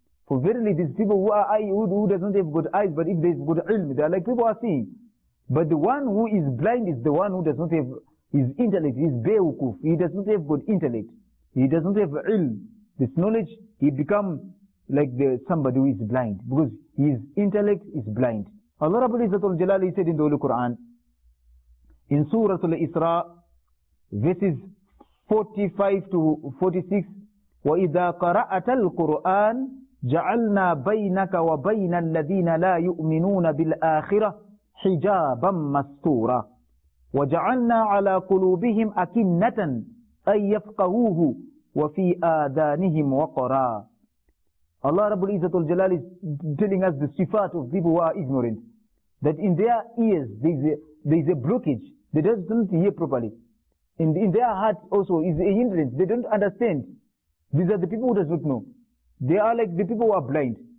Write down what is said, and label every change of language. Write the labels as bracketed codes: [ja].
[en] For verily, these people who does not have good eyes, but if they have good ilm, they are like people who are seeing. But the one who is blind is the one who does not have his intellect, his bewukuf. He does not have good intellect. He does not have ilm. This knowledge, he becomes like somebody who is blind, because his intellect is blind. Allah Rabbul Izzat al-Jalal, he said in the Holy Quran, in Surah Al-Isra, verses 45-46, [ar] وَإِذَا قَرَأَتَ الْقُرْآنَ جَعَلْنَا بَيْنَكَ وَبَيْنَ الَّذِينَ لَا يُؤْمِنُونَ بِالْآخِرَةِ حِجَابًا مَسْتُورًا وَجَعَلْنَا عَلَى قُلُوبِهِمْ أَكِنَّةً أَنْ يَفْقَهُوهُ وَفِي آذَانِهِمْ وَقْرًا. [en] Allah Rabbul Izzat al-Jalal is telling us the sifat of people who are ignorant, that in their ears there is a blockage. They just don't hear properly. And in their heart also is a hindrance. They don't understand. These are the people who does not know. They are like the people who are blind.